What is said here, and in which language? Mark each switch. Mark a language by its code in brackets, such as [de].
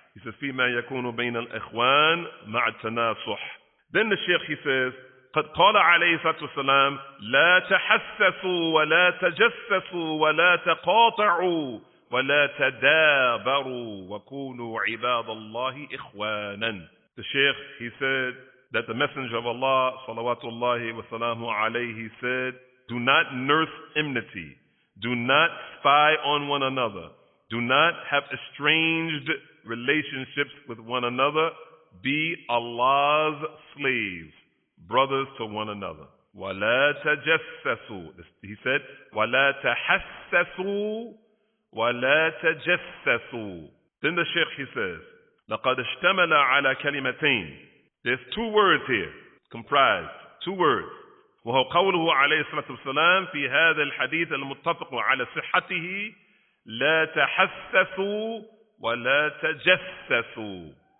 [en] He says, [ar] فِي مَا يَكُونُ بَيْنَ الْإِخْوَانِ مَعَ التَّنَاصُحِ. [en] Then the Shaykh, he says, [ar] قَدْ قَالَ عَلَيْهِ صَلَّى اللَّهُ عَلَيْهِ وَسَلَّمَ لَا تَحَسَّسُوا وَلَا تَجَسَّسُوا وَلَا تَقَاطَعُوا وَلَا تَدَابَرُوا وَكُونُوا عِبَادَ اللَّهِ إِخْوَانًا. [en] The Shaykh, he said that the Messenger of Allah, salawatullahi wa salamu alayhi, said, do not nurse enmity. Do not spy on one another. Do not have estranged relationships with one another. Be Allah's slaves, brothers to one another. [ar] وَلَا تَجَسَّسُوا. [en] He said, [ar] وَلَا تَحَسَّسُوا وَلَا تَجَسَّسُوا. [en] Then the Shaykh, he says, [ar] لَقَدْ اشْتَمَلَ عَلَى كَلِمَتَيْنِ. [en] There's two words here, comprised, two words. [ar] وَهُوْ قَوْلُهُ عَلَيْهِ صَلَّى السَّلَامِ فِي هَذَا الْحَدِيثِ الْمُتَّفِقُ عَلَى صِحَّتِهِ لَا تَحَسَّسُوا وَلَا تَجَسَّسُوا.